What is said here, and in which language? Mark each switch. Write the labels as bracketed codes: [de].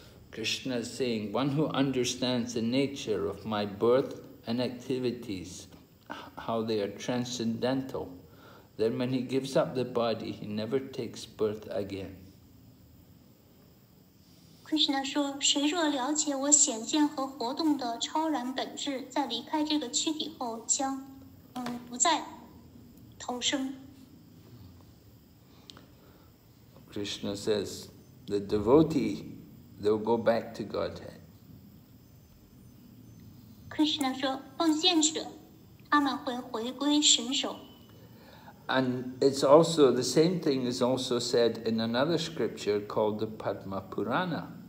[en] Krishna is saying, "One who understands the nature of my birth and activities." How they are transcendental. Then when he gives up the body, he never takes birth again. [zh] Krishna 说，谁若了解我显现和活动的超然本质，在离开这个躯体后将不再投生。 [en] Krishna says, the devotee, they'll go back to Godhead. [zh] Krishna 说，奉献者。他们会回归神手。 [en] And it's also, the same thing is also said in another scripture called the Padma Purana.